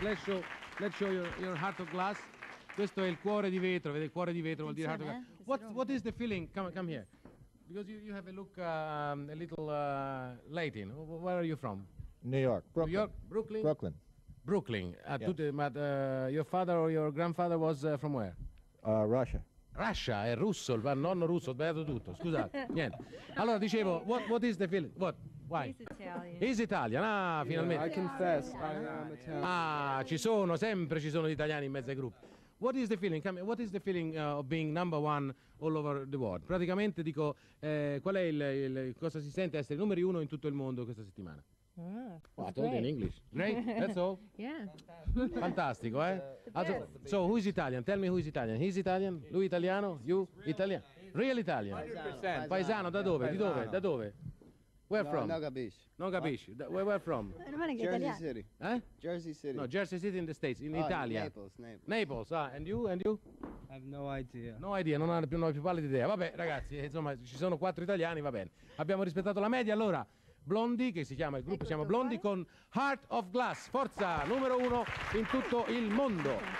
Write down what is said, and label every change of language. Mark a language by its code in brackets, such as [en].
[en] Let's show your Heart of Glass. [it] Questo è il cuore di vetro. Vede, il cuore di vetro vuol dire Heart of Glass. [en] What is the feeling? Come here. Because you have a look a little late in. Where are you from? New York. Brooklyn. New York? Brooklyn? Brooklyn. Brooklyn. Yes. But your father or your grandfather was from where? Russia. [it] Russia, è russo, il nonno russo, ho sbagliato tutto, scusate, niente. Allora, dicevo, [en] what is the feeling? What? Why? He's Italian. [it] Ah, finalmente. [en] Yeah, I confess, I'm Italian. [it] Ah, ci sono sempre gli italiani in mezzo ai gruppi. [en] What is the feeling? What is the feeling of being number one all over the world? [it] Praticamente dico, qual è il cosa si sente essere numero uno in tutto il mondo questa settimana? Oh, [en] I told you in English. Great, that's all? Yeah. [it] Fantastico, eh? [en] So, who is Italian? Tell me who is Italian. He's Italian? [it] Lui italiano? [en] You? Italian? Real Italian? 100%. [it] Paesano, da dove? Di dove? Da dove? [en] Where from? [it] No, non capisci. Non capisci. [en] Where from? Jersey City. Eh? Jersey City. No, Jersey City in the States, [it] in Italia. [en] Naples. Ah, and you? I have no idea. No idea, [it] non ho la più pallida idea. Vabbè, ragazzi, insomma, ci sono quattro italiani, va bene. Abbiamo rispettato la media, allora. Blondi, che si chiama il gruppo, siamo Blondi con Heart of Glass, forza, numero uno in tutto il mondo.